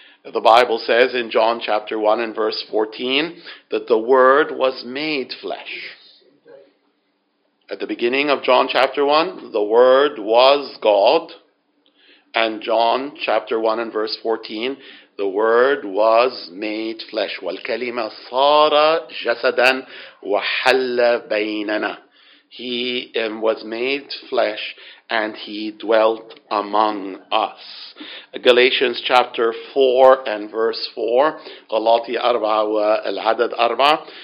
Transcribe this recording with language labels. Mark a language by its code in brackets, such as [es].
[en] The Bible says in John chapter 1 and verse 14 that the Word was made flesh. At the beginning of John chapter 1, the Word was God. And John chapter 1 and verse 14, the Word was made flesh. [ar] والكلمة صار جسدا وحل بيننا. [en] He was made flesh and he dwelt among us. Galatians chapter 4 and verse 4. [ar] غلاطي أربعة والعدد أربعة.